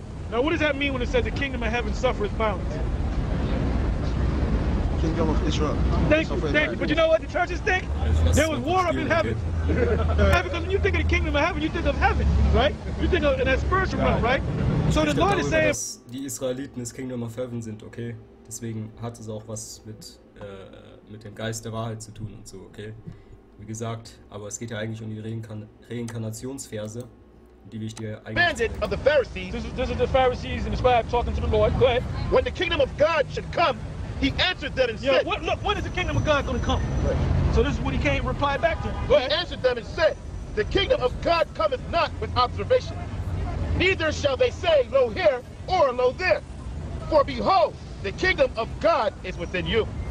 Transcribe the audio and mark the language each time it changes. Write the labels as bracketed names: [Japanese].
[English] Now, what does that mean when it says the kingdom of heaven suffereth violence? Kingdom of Israel. Thank you. But you know what the churches think? There was war up in heaven. Because when you think of the kingdom of heaven, you think of heaven, right? You think of an spiritual realm, right? So the Lord is saying, [German] die Israeliten des Kingdom of Heaven sind, okay? Deswegen hat es auch was mit dem Geist der Wahrheit zu tun und so, okay? Wie gesagt, aber es geht ja eigentlich um die Reinkarnationsverse, die wir dir eigentlich. [English] This is the Pharisees and the scribe talking to the Lord. Go ahead. When the kingdom of God should come, he answered them and said, When is the kingdom of God going to come? Right. So this is what he came reply back to. Go ahead. He answered them and said, the kingdom of God cometh not with observation. Neither shall they say, lo here, or lo there. For behold, the kingdom of God is within you.